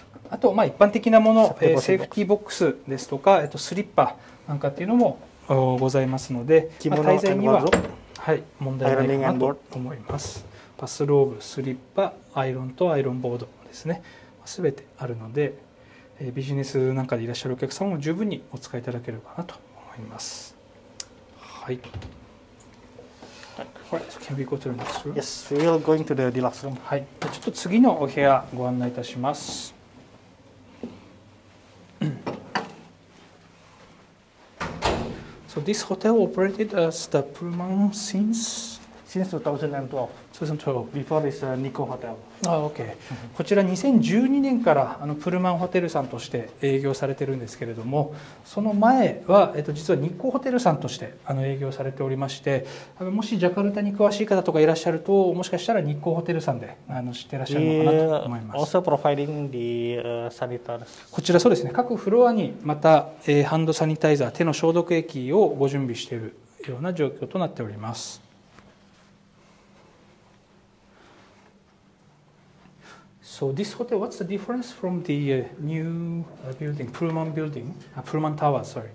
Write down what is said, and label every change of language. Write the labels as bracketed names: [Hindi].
[Japanese] あと、一般的なもの、セーフティーボックスですとか、スリッパなんかっていうのもございますので、滞在には、はい、問題ないかなと思います。バスローブ、スリッパ、アイロンとアイロンボードですね、すべてあるので、ビジネスなんかでいらっしゃるお客様も十分にお使いいただけるかなと思います。はい。 [English] Can we go to the next room? Yes, we are going to the deluxe room. [Japanese] はい。ちょっと次のお部屋ご案内いたします。 [English] So this hotel operated as the Pullman since 2012. Before this Nikko Hotel. Ah, okay. [Japanese] こちら2012年からあのプルマンホテルさんとして営業されてるんですけれども、その前は実は日光ホテルさんとしてあの営業されておりまして、あのもしジャカルタに詳しい方とかいらっしゃると、もしかしたら日光ホテルさんであの知ってらっしゃるのかなと思います。 [English] Also providing the sanitizers. [Japanese] こちらそうですね。各フロアにまた、ハンドサニタイザー、手の消毒液をご準備しているような状況となっております。 [English] So this hotel, what's the difference from the new building, Pullman building, Pullman Tower, sorry.